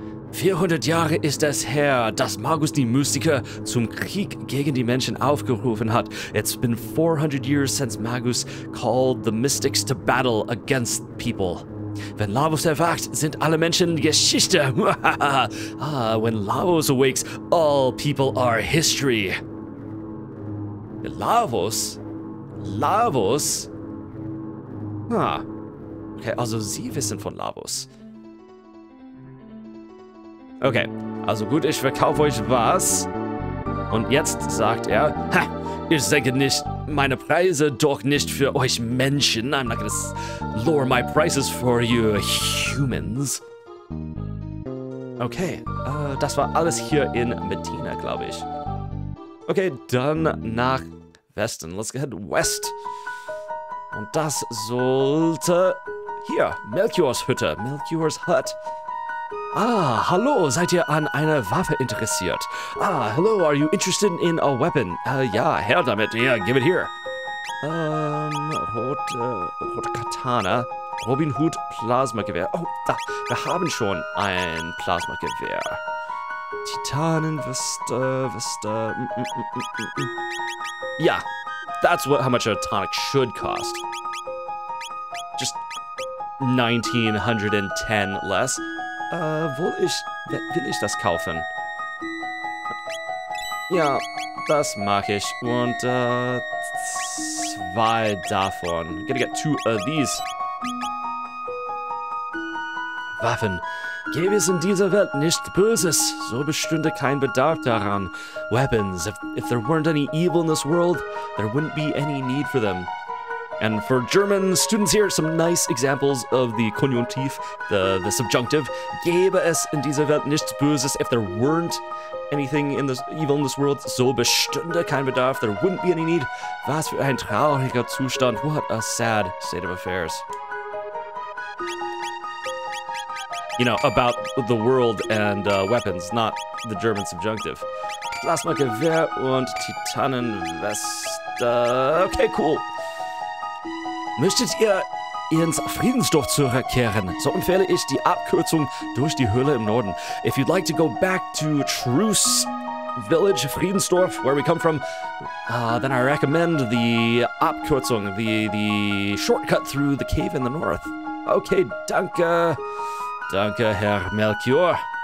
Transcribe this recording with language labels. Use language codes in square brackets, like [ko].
[de] 400 Jahre ist es her, dass Magus die Mystiker zum Krieg gegen die Menschen aufgerufen hat. [en] It's been 400 years since Magus called the mystics to battle against people. [de] Wenn Lavos erwacht, sind alle Menschen Geschichte. [en] Ah, when Lavos awakes, all people are history. [de] Lavos? Lavos? Ah. Okay, also sie wissen von Lavos. Okay, also gut, ich verkaufe euch was. Und jetzt sagt er, ha, ich senke nicht meine Preise doch nicht für euch Menschen. [en] I'm not gonna lower my prices for you humans. [de] Okay, das war alles hier in Medina, glaube ich. Okay, dann nach Westen. [en] Let's head west. [de] Und das sollte... Hier, Melchior's Hütte. [en] Melchior's Hut. [de] Ah, hallo, seid ihr an einer Waffe interessiert? [en] Ah, hello, are you interested in a weapon? [de] Ja, her damit. [en] Yeah, give it here. [de] Rote Katana. Robin Hood Plasmagewehr. Oh, da, wir haben schon ein Plasmagewehr. Titanenweste, Weste. [en] Ja, that's how much a tonic should cost. 1910 less. [de] Will ich das kaufen? Ja, das mach ich. Und, zwei davon. [en] Gonna get two of these. [de] Waffen. Gäbe es in dieser Welt nicht Böses, so bestünde kein Bedarf daran. [en] Weapons. If there weren't any evil in this world, there wouldn't be any need for them. And for German students here, some nice examples of the konjunktiv, the subjunctive. [de] Gäbe es in dieser Welt nichts Böses, [en] if there weren't anything in this evil in this world, [de] so bestünde kein Bedarf, [en] there wouldn't be any need. [de] Was für ein trauriger Zustand, [en] what a sad state of affairs. you know, about the world and weapons, not the German subjunctive. [de] Plasmagewehr und Titanenweste. Okay, cool. Möchtet ihr ins Friedensdorf zurückkehren, so empfehle ich die Abkürzung durch die Höhle im Norden. [en] If you'd like to go back to Truce Village, Friedensdorf, where we come from, then I recommend the Abkürzung, the shortcut through the cave in the north. [de] Okay, danke. Danke, Herr Melchior.